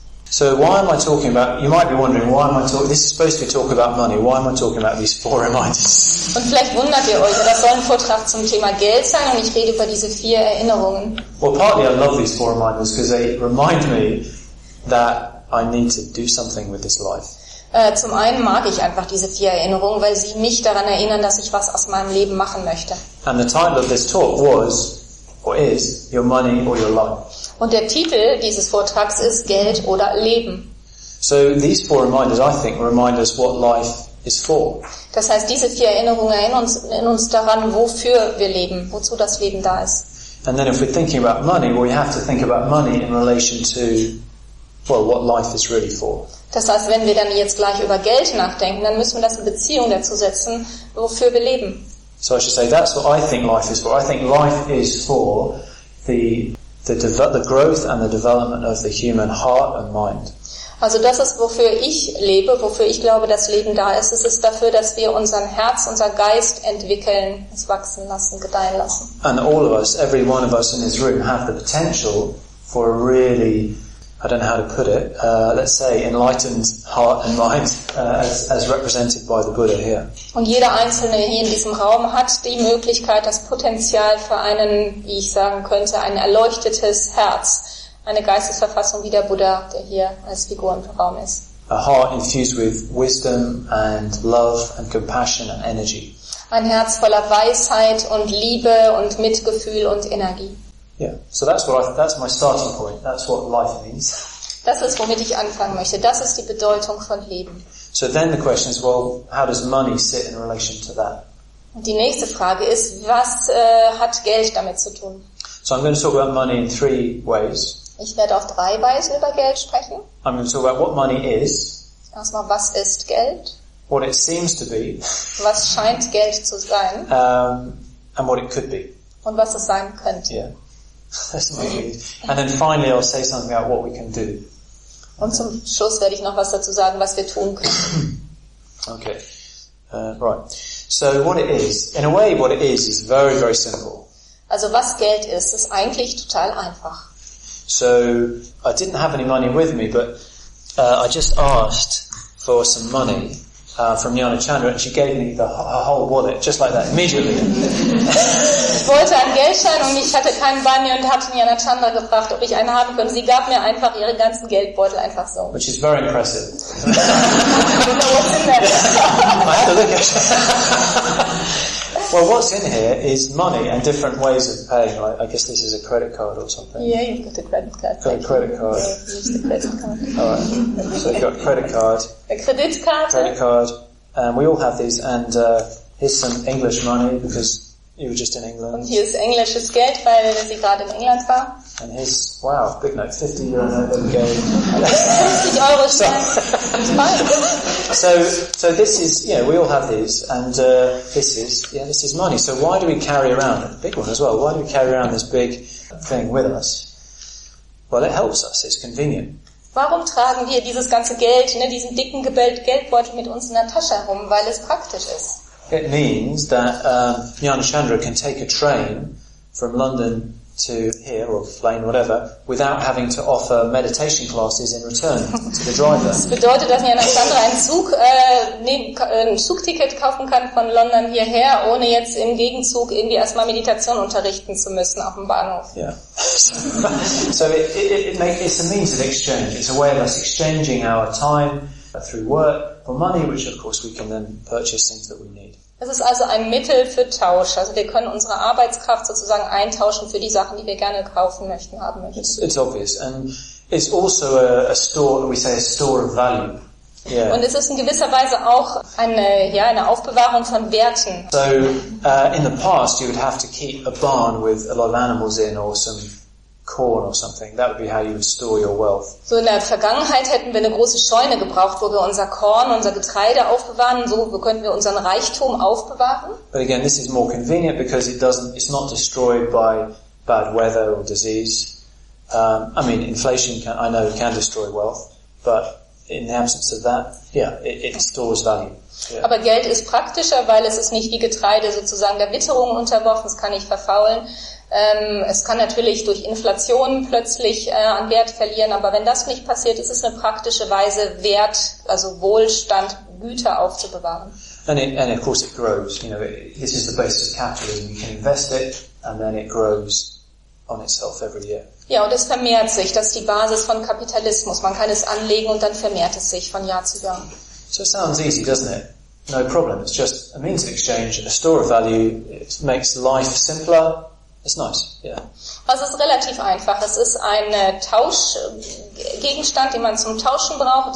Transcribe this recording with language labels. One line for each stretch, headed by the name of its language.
English: So why am I talking about, you might be wondering, why am I talking, this is supposed to be talk about money, why am I talking about these four reminders?
German: Und vielleicht wundert ihr euch, das soll ein Vortrag zum Thema Geld sein und ich rede über diese vier Erinnerungen.
English: Well, partly I love these four reminders because they remind me that I need to do something with this life.
German: Zum einen mag ich einfach diese vier Erinnerungen, weil sie mich daran erinnern, dass ich was aus meinem Leben machen möchte.
English: And the title of this talk was, or is your money or your life.
German: Und der Titel dieses Vortrags ist Geld oder Leben.
English: So these four reminders, I think, remind us what life is for.
German: Das heißt, diese vier Erinnerungen erinnern uns daran, wofür wir leben, wozu das Leben da ist.
English: And then if we're thinking about money, well, we have to think about money in relation to, well, what life is really for.
German: Das heißt, wenn wir dann jetzt gleich über Geld nachdenken, dann müssen wir das in Beziehung dazu setzen, wofür wir leben.
English: So I should say, that's what I think life is for. I think life is for the growth and the development of the human heart and mind.
German: Also das ist, wofür ich lebe, wofür ich glaube, dass Leben da ist. Es ist dafür, dass wir unseren Herz, unser Geist entwickeln, es wachsen lassen, gedeihen lassen.
English: And all of us, every one of us in this room, have the potential for a really, I don't know how to put it, let's say, enlightened heart and mind, as represented by the Buddha here.
German: Und jeder Einzelne hier in diesem Raum hat die Möglichkeit, das Potenzial für einen, wie ich sagen könnte, ein erleuchtetes Herz. Eine Geistesverfassung wie der Buddha, der hier als Figur im Raum ist.
English: A heart infused with wisdom and love and compassion and energy.
German: Ein Herz voller Weisheit und Liebe und Mitgefühl und Energie.
English: Yeah, so that's my starting point. That's what life means.
German: Das ist, womit ich anfangen möchte. Das ist die Bedeutung von Leben.
English: So then the question is, well, how does money sit in relation to that?
German: Die nächste Frage ist, was hat Geld damit zu tun?
English: So I'm going to talk about money in three ways.
German: Ich werde auf drei Weisen über Geld sprechen.
English: I'm going to talk about what money is.
German: Erstmal, was ist Geld?
English: What it seems to be.
German: Was scheint Geld zu sein?
English: And what it could be.
German: Und was es sein könnte.
English: Yeah. That's my lead. And then finally I'll say something about what we can do.
German: Und zum Schluss werde ich noch was dazu sagen, was wir tun können.
English: Okay. Right. So what it is. In a way, what it is very, very simple.
German: Also was Geld ist, ist eigentlich total einfach.
English: So, I didn't have any money with me, but I just asked for some money from Jana Chandra, and she gave me her whole wallet, just like that, immediately.
German: Ich wollte einen Geldschein und ich hatte keinen bei mir und hatte Jana Chandra gefragt, ob ich einen haben könnte. Sie gab mir einfach ihren ganzen Geldbeutel einfach so.
English: Which is very impressive. What's in there? I have to look at it. Well, what's in here is money and different ways of paying. Like, I guess this is a credit card or something. Yeah, you've got a credit card. Got a credit card. Yeah, use the credit card. All right. So you've got a credit card. A credit card. Credit card. We all have these. And here's some English money because you were just in England.
German: Und hier ist englisches Geld, weil sie gerade in England war.
English: And here's, wow, big note, 50 euro note of gold.
German: 50 euro Schein.
English: So this is, you know, we all have these, and this is money. So why do we carry around, a big one as well, why do we carry around this big thing with us? Well, it helps us, it's convenient.
German: Warum tragen wir dieses ganze Geld, ne, diesen dicken Geldbeutel mit uns in der Tasche herum? Weil es praktisch ist.
English: It means that Jana Chandra can take a train from London to here, or plane, whatever, without having to offer meditation classes in return to the driver.
German: Das bedeutet, dass Jana Chandra ein Zugticket kaufen kann von London hierher, ohne jetzt im Gegenzug irgendwie erstmal Meditation unterrichten zu müssen auf dem Bahnhof.
English: Yeah. So it's a means of exchange. It's a way of us exchanging our time through work for money, which of course we can then purchase things that we need.
German: Es ist also ein Mittel für Tausch. Also wir können unsere Arbeitskraft sozusagen eintauschen für die Sachen, die wir gerne kaufen möchten, haben möchten.
English: It's obvious. And it's also a store, we say a store of value. Yeah.
German: Und es ist in gewisser Weise auch eine Aufbewahrung von Werten.
English: So in the past you would have to keep a barn with a lot of animals in or some corn or something. That would be how you would store your wealth.
German: So in der Vergangenheit hätten wir eine große Scheune gebraucht, wo wir unser Korn, unser Getreide aufbewahren. So könnten wir unseren Reichtum aufbewahren.
English: But again, this is more convenient because it's not destroyed by bad weather or disease. I mean, inflation can destroy wealth, but in the absence of that, yeah, it stores value. Yeah.
German: Aber Geld ist praktischer, weil es ist nicht wie Getreide sozusagen der Witterung unterworfen. Es kann nicht verfaulen. Es kann natürlich durch Inflation plötzlich an Wert verlieren, aber wenn das nicht passiert, ist es eine praktische Weise, Wert, also Wohlstand, Güter aufzubewahren.
English: And of course it grows. You know, this is the basis of capitalism. You can invest it, and then it grows on itself every year.
German: Ja, und es vermehrt sich. Das ist die Basis von Kapitalismus. Man kann es anlegen und dann vermehrt es sich von Jahr zu Jahr.
English: So sounds easy, doesn't it? No problem. It's just a means of exchange, a store of value. It makes life simpler. It's nice, yeah.
German: Was ist relativ einfach. Es ist ein Tauschgegenstand, den man zum Tauschen braucht.